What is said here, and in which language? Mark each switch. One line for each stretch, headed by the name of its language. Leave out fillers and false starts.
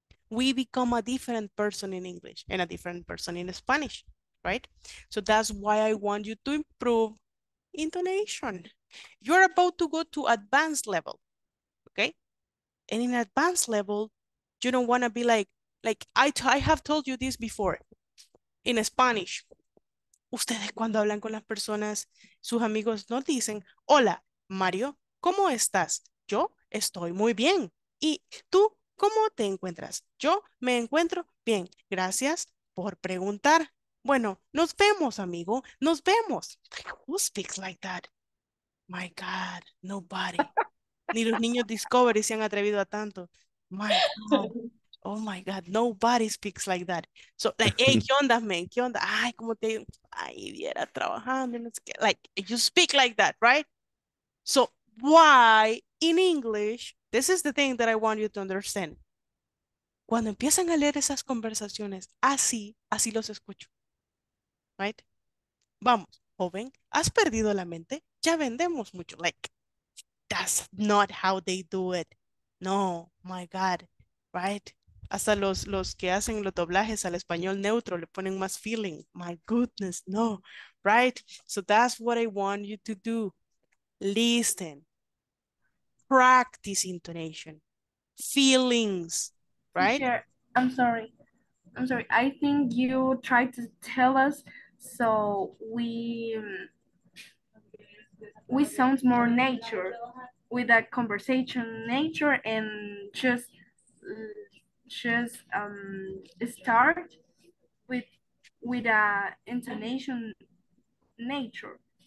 English: We become a different person in English and a different person in Spanish, right? So that's why I want you to improve intonation. You're about to go to advanced level, okay? And in advanced level, you don't want to be like I have told you this before. In Spanish,
Spanish: ustedes cuando hablan con las personas, sus amigos no dicen, hola, Mario, ¿cómo estás? Yo estoy muy bien. ¿Y tú cómo te encuentras? Yo me encuentro bien. Gracias por preguntar. Bueno, nos vemos, amigo. Nos vemos.
English: Who speaks like that? My God, nobody.
Spanish: Ni los niños Discovery se han atrevido a tanto.
English: My God. Oh my God, nobody speaks like that. So, like, hey,
Spanish: ¿qué onda, man? ¿Qué onda? Ay, como te ay, viera trabajando.
English: Like, you speak like that, right? So, why in English, this is the thing that I want you to understand.
Spanish: Cuando empiezan a leer esas conversaciones, así, así los escucho. Right? Vamos, joven, ¿has perdido la mente? Ya vendemos mucho.
English: Like, that's not how they do it. No, my God, right?
Spanish: Hasta los que hacen los doblajes al español neutro le ponen más feeling.
English: My goodness, no, right? So that's what I want you to do. Listen. Practice intonation. Feelings, right? Sure. I'm sorry. I think you tried to tell us so we sound more nature with that conversation nature and just start with a intonation nature.